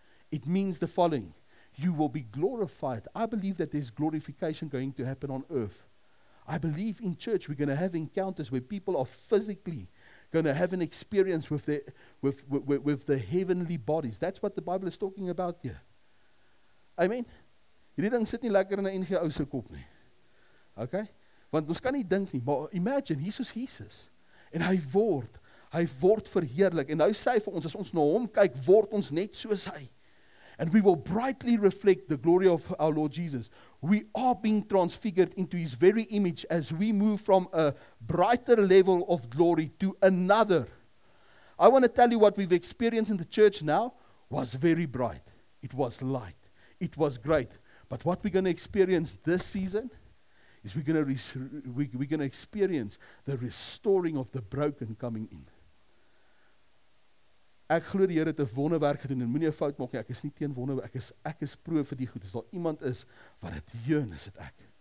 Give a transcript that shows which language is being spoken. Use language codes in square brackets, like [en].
[en] It means the following. You will be glorified. I believe that there's glorification going to happen on earth. I believe in church we're going to have encounters where people are physically going to have an experience with the heavenly bodies. That's what the Bible is talking about here. Amen. [af] Hierdie ding sit nie lekker in 'n NG ou se kop nie. Okay? Want ons kan nie dink nie, maar imagine Jesus. En hy word verheerlik. En nou sê hy vir ons, as ons na hom kyk, word ons net soos hy. [en] And we will brightly reflect the glory of our Lord Jesus. We are being transfigured into His very image as we move from a brighter level of glory to another. I want to tell you what we've experienced in the church now was very bright. It was light. It was great. But what we're going to experience this season is we're going to experience the restoring of the broken coming in. [af] Ek glo die Here het 'n wonderwerk gedoen en moenie 'n fout maak nie. Ek is nie teen wonder, ek is pro vir die goed. As daar iemand is wat dit jeun, is dit ek.